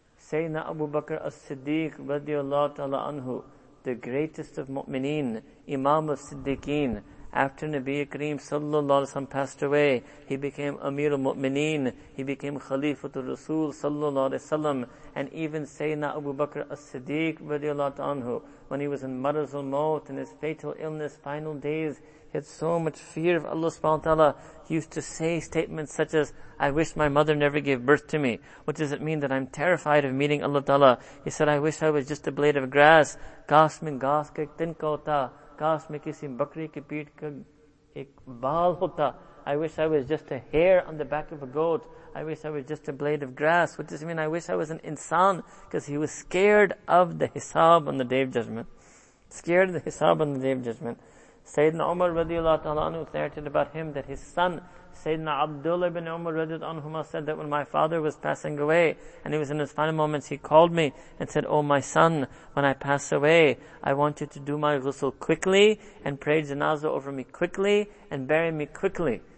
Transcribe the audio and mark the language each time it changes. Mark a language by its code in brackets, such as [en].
[en] Sayyidina Abu Bakr as-Siddiq radiyallahu ta'ala anhu, the greatest of mu'mineen, Imam of Siddiqeen, after Nabi Kareem sallallahu alayhi wa sallam passed away, he became Amir al-Mu'mineen, he became Khalifatul Rasul sallallahu alayhi wa sallam, and even Sayyidina Abu Bakr as-Siddiq radiyallahu ta'ala anhu, when he was in Marz al-Mawt, in his fatal illness, final days, he had so much fear of Allah subhanahu wa ta'ala, he used to say statements such as, I wish my mother never gave birth to me. What does it mean that I'm terrified of meeting Allah ta'ala? He said, I wish I was just a blade of grass. [ur] کاش میں گھاس کا ایک تنکا ہوتا۔ کاش میں کسی بکری کی پیٹ کا ایک بال ہوتا۔ [en] I wish I was just a hair on the back of a goat. I wish I was just a blade of grass. What does it mean? I wish I was an insan. Because he was scared of the hisab on the Day of Judgment. Scared of the hisab on the Day of Judgment. Sayyidina Umar radiallahu ta'ala anhu narrated about him that his son, Sayyidina Abdullah ibn Umar radiallahu anhu, said that when my father was passing away and he was in his final moments, he called me and said, oh my son, when I pass away, I want you to do my ghusl quickly and pray janazah over me quickly and bury me quickly.